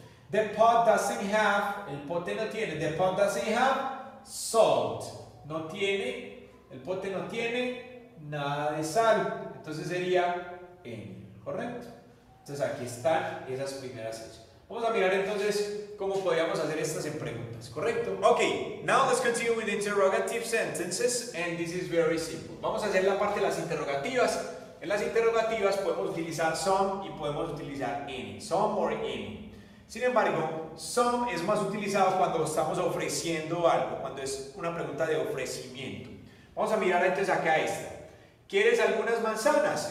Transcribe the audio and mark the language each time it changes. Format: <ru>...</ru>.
<en>The pot doesn't have,</en> <es>el pote no tiene,</es> <en>the pot doesn't have salt.</en> <es>No tiene, el pote no tiene nada de sal. Entonces sería N, ¿correcto? Entonces aquí están esas primeras hechas. Vamos a mirar entonces cómo podríamos hacer estas en preguntas, ¿correcto?</es> <en>Ok, now let's continue with interrogative sentences, and this is very simple.</en> <es>Vamos a hacer la parte de las interrogativas. En las interrogativas podemos utilizar some y podemos utilizar any, some or any. Sin embargo, some es más utilizado cuando estamos ofreciendo algo, cuando es una pregunta de ofrecimiento. Vamos a mirar entonces acá esta. ¿Quieres algunas manzanas?</es>